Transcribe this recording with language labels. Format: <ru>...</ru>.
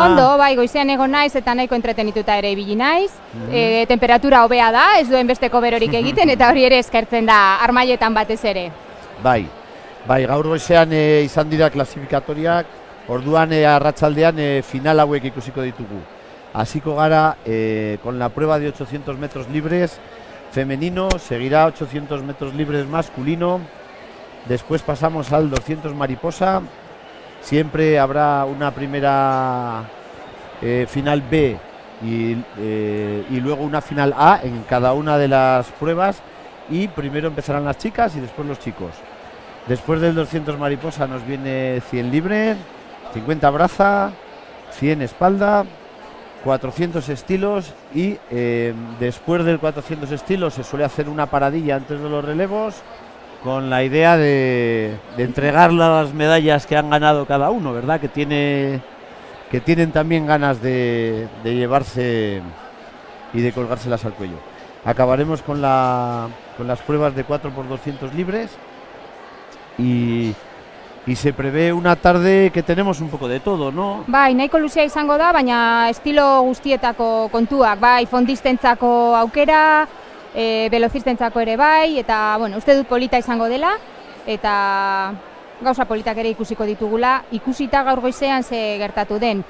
<eu>Ondo, bai, goizean ego naiz eta nahiko entretenituta ere ibili naiz. Temperatura hobea da, ez duen besteko berorik egiten eta hori ere eskertzen da armaietan batez ere. Bai. Bai, gaur goizean izan dira klasifikatoriak. Orduan arratsaldean final hauek ikusiko ditugu. Hasiko gara</eu> <es>con la prueba de 800 metros libres femenino, seguirá 800 metros libres masculino. Después pasamos al 200 mariposa. Siempre habrá una primera final B y luego una final A en cada una de las pruebas. Y primero empezarán las chicas y después los chicos. Después del 200 mariposa nos viene 100 libre, 50 braza, 100 espalda, 400 estilos. Y después del 400 estilos se suele hacer una paradilla antes de los relevos, con la idea de entregar las medallas que han ganado cada uno, ¿verdad? Que tienen también ganas de llevarse y de colgárselas al cuello. Acabaremos con las pruebas de 4x200 libres y se prevé una tarde que tenemos un poco de todo, ¿no?</es> <eu>Bai, nahiko luzea izango da, baina estilo guztietako kontuak, bai, fondistentzako aukera, velocistentzako ere bai, eta bueno, uste dut polita izango dela eta gauza politak ere ikusiko ditugula, ikusita gaur goizean ze gertatu den.</eu>